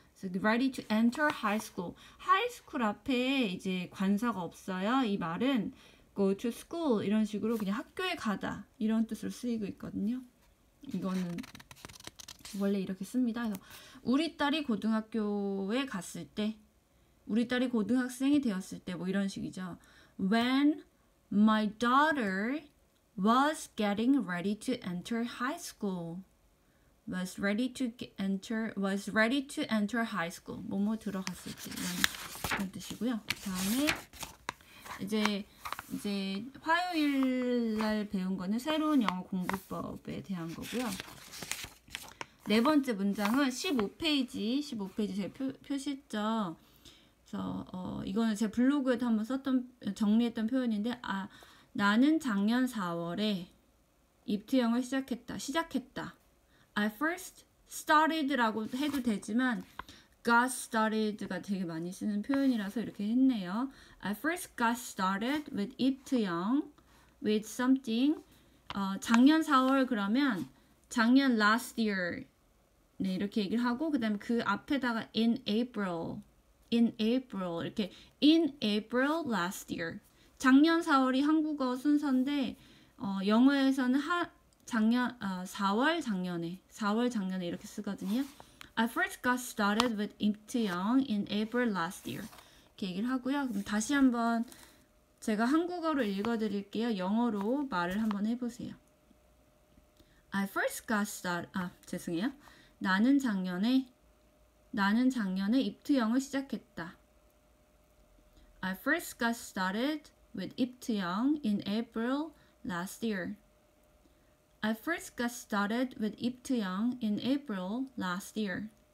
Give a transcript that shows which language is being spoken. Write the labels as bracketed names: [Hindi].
[English] So, ready to enter high school. High school [Korean] 앞에 이제 관사가 없어요. 이 말은 [English] go to school [Korean] 이런 식으로 그냥 학교에 가다 이런 뜻으로 쓰이고 있거든요. 이거는 원래 이렇게 씁니다. 그래서 우리 딸이 고등학교에 갔을 때, 우리 딸이 고등학생이 되었을 때뭐 이런 식이죠. [English] When my daughter was getting ready to enter high school. Was ready to enter high school. [Korean] 뭐뭐 들어갔을 때 이런 뜻이고요. 그다음에 이제 화요일 날 배운 거는 새로운 영어 공부법에 대한 거고요. 네 번째 문장은 15페이지 제 표시죠. 그래서 이거는 제 블로그에도 한번 썼던 정리했던 표현인데, 아 나는 작년 4월에 입트영을 시작했다. [English] I first started [Korean] 라고 해도 되지만 [English] got started [Korean] 가 되게 많이 쓰는 표현이라서 이렇게 했네요. [English] I first got started with IPTO영 with something. [Korean] 작년 4월 그러면 작년 last year. 네, 이렇게 얘기를 하고, 그 다음에 그 앞에다가 in April, 이렇게 [English] in April last year. [Korean] 작년 4월이 한국어 순서인데, 영어에서는 4월 작년에 이렇게 쓰거든요. [English] I first got started with IPTO영 in April last year. [Korean] 이렇게 얘기를 하고요. 그럼 다시 한번 제가 한국어로 읽어드릴게요. 영어로 말을 한번 해보세요. [English] I first got started. [Korean] 아, 죄송해요. 나는 작년에 입트영을 시작했다. [English] I first got started with IPTO영 in April last year. I first got started with IPTO영 in April last year.